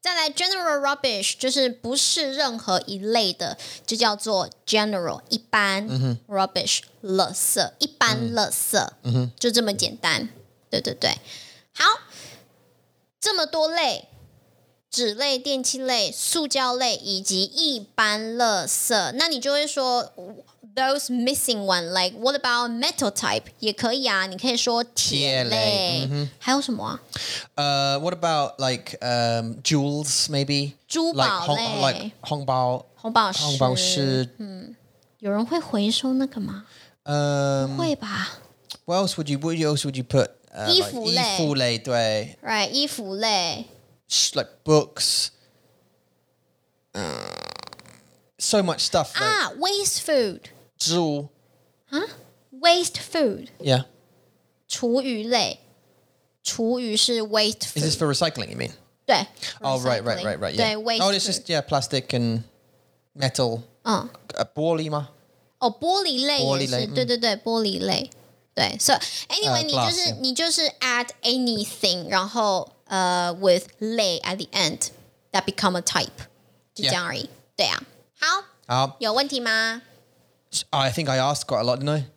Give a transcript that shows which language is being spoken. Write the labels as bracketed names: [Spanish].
[Chinese] 再来 [English] general rubbish [Chinese] 就是不是任何一类的，就叫做 general 一般、 mm-hmm. rubbish 垃圾，一般垃圾，嗯、mm-hmm. 就这么简单。对对对，好，这么多类，纸类、电器类、塑胶类以及一般垃圾，那你就会说。 [English] Those missing one, like what about metal type? [Chinese] 也可以啊，你可以说铁类。还有什么啊？ [English] What about like jewels, maybe? [Chinese] 珠宝类。 [English] Like [Chinese] 红宝。红宝石。红宝石。嗯，有人会回收那个吗？不会吧。 [English] What else would you put? [Chinese] 衣服类，对， [English] right， [Chinese] 衣服类， [English] like books, so much stuff. Like, ah, waste food. [Chinese] 植物. [English] Huh? Waste food. Yeah. [Chinese] 厨余类，厨余是 [English] waste food. Is this for recycling? You mean? [Chinese] 对. [English] Oh, right. Yeah. 对, waste. Oh, it's just yeah, plastic and metal. [Chinese] Oh, 玻璃吗？ Oh, 玻璃类也是，对对对，玻璃类。对, [English] so anyway, [Chinese] 你就是 [English] add anything, [Chinese] 然后 with 类 [English] at the end, that become a type, [Chinese] 就这样而已, yeah. 对啊,好, 有问题吗? [English] I think I asked quite a lot, didn't I?